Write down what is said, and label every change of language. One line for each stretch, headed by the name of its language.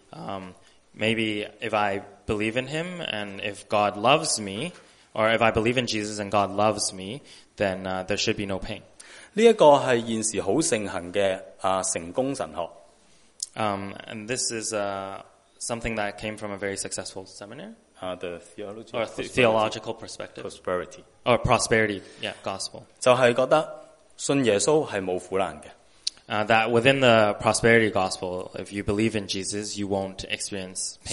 English: Maybe if I believe in him and if God loves me, or if I believe in Jesus and God loves me, then there should be no pain.
Chinese: 这个是现时很盛行的成功神学。
English: And this is something that came from a very successful seminary. The theological prosperity gospel.
Chinese: 就是觉得信耶稣是没有苦难的。
English: That within the prosperity gospel, if you believe in Jesus, you won't experience pain.